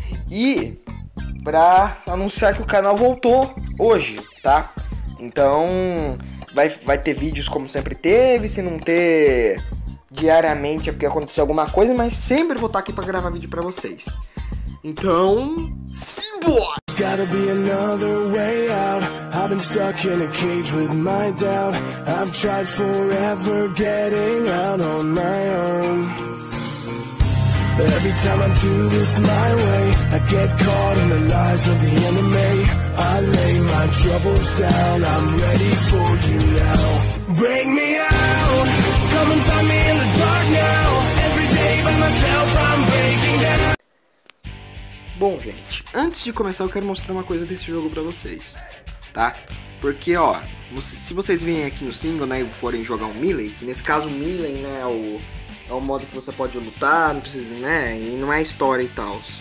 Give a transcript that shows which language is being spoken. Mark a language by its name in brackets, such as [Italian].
[Portuguese] E pra anunciar que o canal voltou hoje, tá? Então vai ter vídeos como sempre teve, se não ter diariamente é porque aconteceu alguma coisa, mas sempre vou estar aqui pra gravar vídeo pra vocês. Então, simbora! [English] Gotta be another way out. I've been stuck in a cage with my doubt. I've tried forever getting out on my own. Every time I do this my way, I get caught in the lies of the enemy. I lay my troubles down, I'm ready for you now. Bring me out, come and find me in the dark now. Every day by myself I'm breaking down. [Portuguese] Bom, gente, antes de começar, eu quero mostrar uma coisa desse jogo pra vocês, tá? Porque, ó, se vocês virem aqui no single, né, e forem jogar o Melee, que nesse caso o Melee, né, é o modo que você pode lutar, não precisa, né, e não é história e tal.